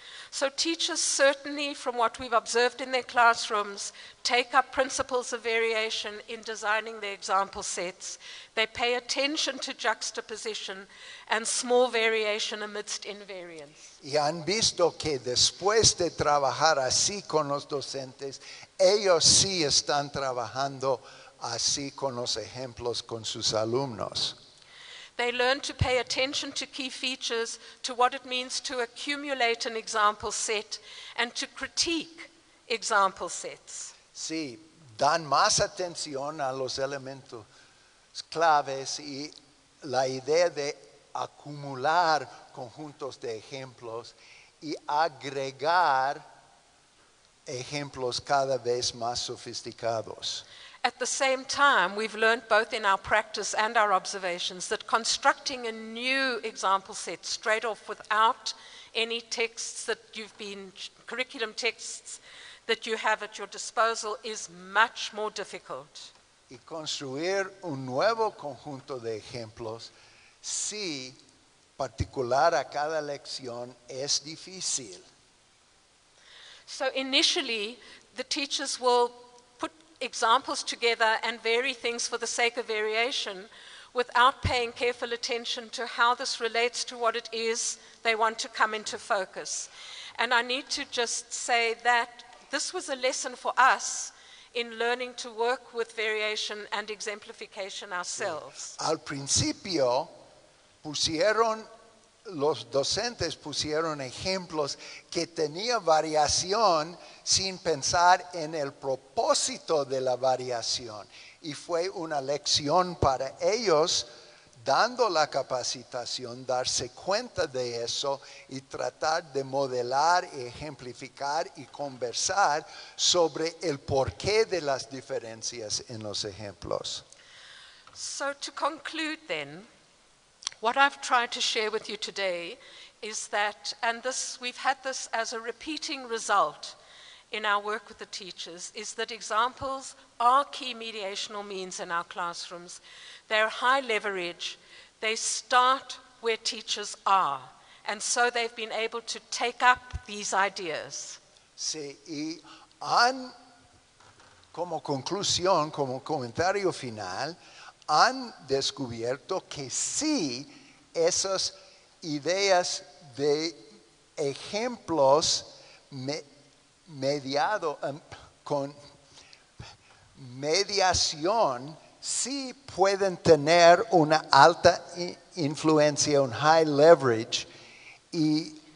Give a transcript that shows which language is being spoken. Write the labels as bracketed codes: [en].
[en] So teachers certainly, from what we've observed in their classrooms, take up principles of variation in designing their example sets. They pay attention to juxtaposition and small variation amidst invariance. [es] Y han visto que después de trabajar así con los docentes, ellos sí están trabajando así con los ejemplos con sus alumnos. [en] They learn to pay attention to key features, to what it means to accumulate an example set, and to critique example sets. [es] Sí, dan más atención a los elementos claves y la idea de acumular conjuntos de ejemplos y agregar ejemplos cada vez más sofisticados. [en] At the same time, we've learned both in our practice and our observations that constructing a new example set straight off without any texts that you've been, curriculum texts that you have at your disposal, is much more difficult. [es] Y construir un nuevo conjunto de ejemplos, sí, particular a cada lección, es difícil. [en] So initially, the teachers will examples together and vary things for the sake of variation without paying careful attention to how this relates to what it is they want to come into focus. And I need to just say that this was a lesson for us in learning to work with variation and exemplification ourselves. [es] Sí. Al principio, los docentes pusieron ejemplos que tenía variación sin pensar en el propósito de la variación. Y fue una lección para ellos, dando la capacitación, darse cuenta de eso y tratar de modelar, ejemplificar y conversar sobre el porqué de las diferencias en los ejemplos. [en] So to conclude then, what I've tried to share with you today is that, and this we've had this as a repeating result in our work with the teachers, is that examples are key mediational means in our classrooms. They're high leverage. They start where teachers are. And so they've been able to take up these ideas. [es] Sí, y han, como conclusión, como comentario final, han descubierto que sí, esas ideas de ejemplos mediación sí pueden tener una alta influencia, un high leverage, y